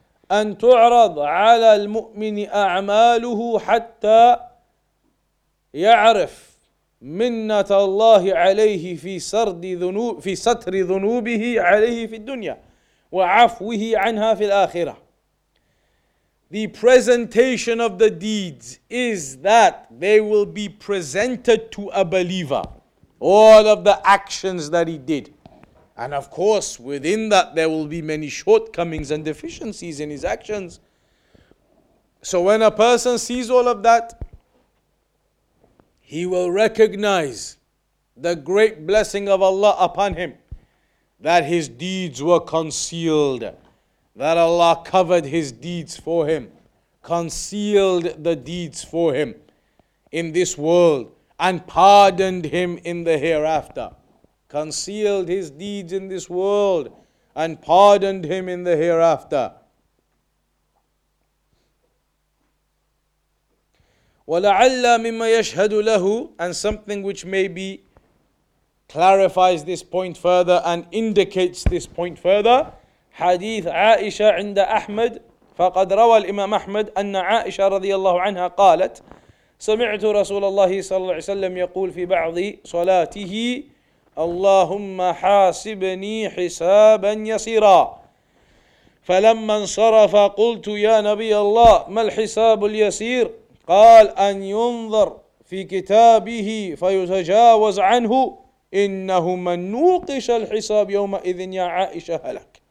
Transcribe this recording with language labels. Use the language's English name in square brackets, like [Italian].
[Arabic] أن تعرض على المؤمن أعماله حتى يعرف منة الله عليه في سرد ذنوب في ستر ذنوبه عليه في الدنيا وعفوه عنها في الآخرة. [English] The presentation of the deeds is that they will be presented to a believer. All of the actions that he did. And of course, within that, there will be many shortcomings and deficiencies in his actions. So when a person sees all of that, he will recognize the great blessing of Allah upon him, that his deeds were concealed, that Allah covered his deeds for him, concealed the deeds for him in this world, and pardoned him in the hereafter. Concealed his deeds in this world and pardoned him in the hereafter. [Arabic] وَلَعَلَّا مِمَّا يَشْهَدُ لَهُ. [English] And something which maybe clarifies this point further and indicates this point further. [Arabic] حديث عائشة عند أحمد. فقد روى الإمام أحمد أن عائشة رضي الله عنها قالت سمعت رسول الله صلى الله عليه وسلم يقول في بعض صلاته اللهم حاسبني حسابا يسيرا فلما انصرف قلت يا نبي الله ما الحساب اليسير قال أن ينظر في كتابه فيتجاوز عنه إنه من نوقش الحساب يومئذ يا عائشة هلك.